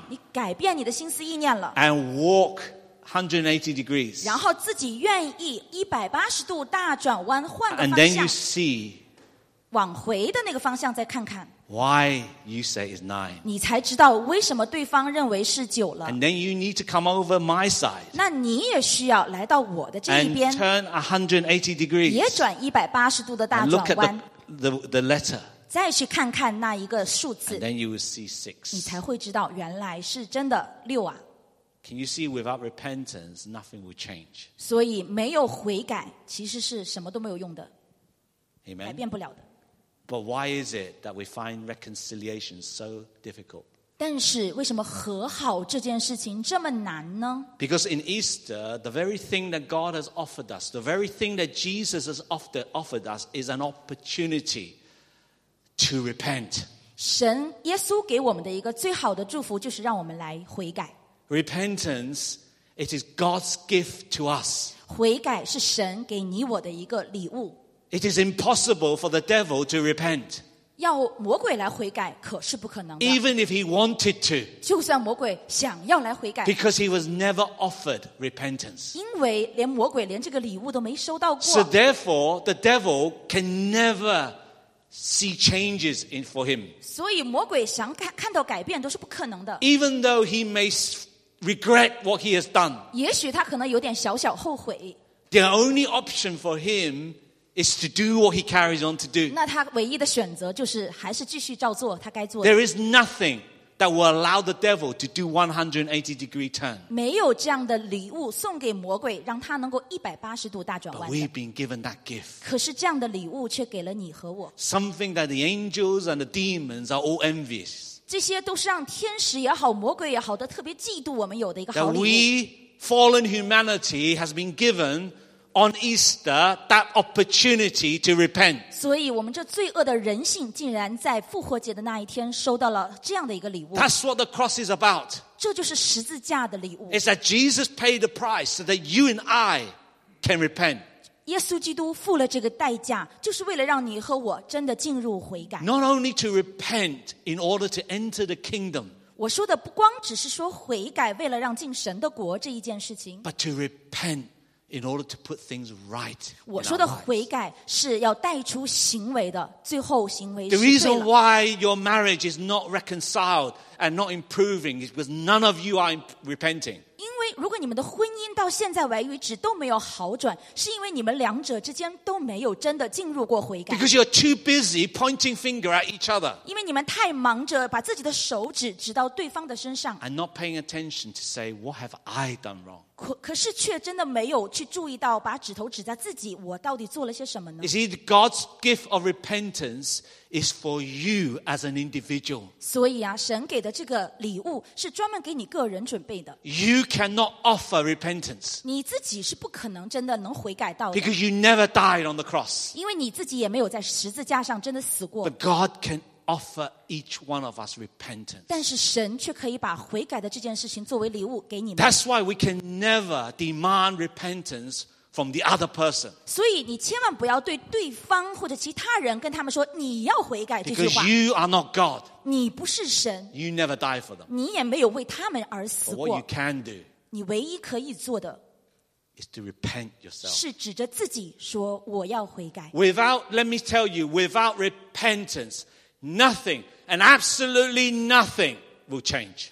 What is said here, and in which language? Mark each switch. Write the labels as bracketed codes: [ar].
[zh] 你改变你的心思意念了。 [en] And walk 180 degrees. [zh] 然后自己愿意180度大转弯，换个方向。 [en] And then you see. [zh] 往回的那个方向再看看。 [en] Why you say it's 9. [zh] 你才知道为什么对方认为是9了。 [en] And then you need to come over my side. [zh] 那你也需要来到我的这一边。 [en] And turn 180 degrees. [zh] 也转180度的大转弯。 [en] And look at the letter. [zh] 再去看看那一个数字。 [en] And then you will see 6. [zh] 你才会知道原来是真的6啊。 [en] Can you see without repentance, nothing will change? [zh] 所以没有悔改其实是什么都没有用的。 [en] Amen. [zh] 改变不了的。 [en] But why is it that we find reconciliation so difficult? [zh] 但是为什么和好这件事情这么难呢？ [en] Because in Easter, the very thing that God has offered us, the very thing that Jesus has offered us is an opportunity to repent. [zh] 神耶稣给我们的一个最好的祝福就是让我们来悔改。 [en] Repentance, it is God's gift to us. [zh] 悔改是神给你我的一个礼物。 [en] It is impossible for the devil to repent. [zh] 要魔鬼来悔改可是不可能的。 [en] Even if he wanted to. [zh] 就算魔鬼想要来悔改。 [en] Because he was never offered repentance. [zh] 因为连魔鬼连这个礼物都没收到过。 [en] So therefore, the devil can never see changes in for him. [zh] 所以魔鬼想看到改变都是不可能的。 [en] Even though he may regret what he has done. [zh] 也许他可能有点小小后悔。 [en] The only option for him is to do what he carries on to do. [zh] 那他唯一的选择就是还是继续照做他该做的。 [en] There is nothing that will allow the devil to do 180 degree turn. [zh] 没有这样的礼物送给魔鬼让他能够180度大转弯。 [en] But we've been given that gift. [zh] 可是这样的礼物却给了你和我。 [en] Something that the angels and the demons are all envious. [zh] 这些都是让天使也好魔鬼也好的特别嫉妒我们有的一个好礼物。 [en] That we, fallen humanity, has been given on Easter, that opportunity to repent. [zh] 所以我们这罪恶的人性竟然在复活节的那一天收到了这样的一个礼物。 [en] That's what the cross is about. [zh] 这就是十字架的礼物。 [en] It's that Jesus paid the price so that you and I can repent. [zh] 耶稣基督付了这个代价就是为了让你和我真的进入悔改。 [en] Not only to repent in order to enter the kingdom. [zh] 我说的不光只是说悔改为了让进神的国这一件事情。 [en] But to repent in order to put things right. [zh] 我说的悔改是要带出行为的，最后行为是对了。 [en] The reason why your marriage is not reconciled and not improving is because none of you are repenting. [zh] 因为如果你们的婚姻到现在为止都没有好转，是因为你们两者之间都没有真的进入过悔改。 [en] Because you're too busy pointing finger at each other. [zh] 因为你们太忙着把自己的手指指到对方的身上。 [en] And not paying attention to say, what have I done wrong? [zh] 可是却真的没有去注意到把指头指在自己，我到底做了些什么呢？ [en] You see, God's gift of repentance is for you as an individual. [zh] 所以啊，神给的这个礼物是专门给你个人准备的。 [en] You cannot offer repentance. [zh] 你自己是不可能真的能悔改到的。 [en] Because you never died on the cross. [zh] 因为你自己也没有在十字架上真的死过。 [en] But God can offer each one of us repentance. [zh] 但是神却可以把悔改的这件事情作为礼物给你们。 [en] That's why we can never demand repentance from the other person. [zh] 所以你千万不要对对方或者其他人跟他们说你要悔改这句话。 [en] Because you are not God. [zh] 你不是神。 [en] You never die for them. [zh] 你也没有为他们而死过。 [en] But what you can do. [zh] 你唯一可以做的。 [en] Is to repent yourself. [zh] 是指着自己说我要悔改。 [en] Without, let me tell you, without repentance, nothing and absolutely nothing will change.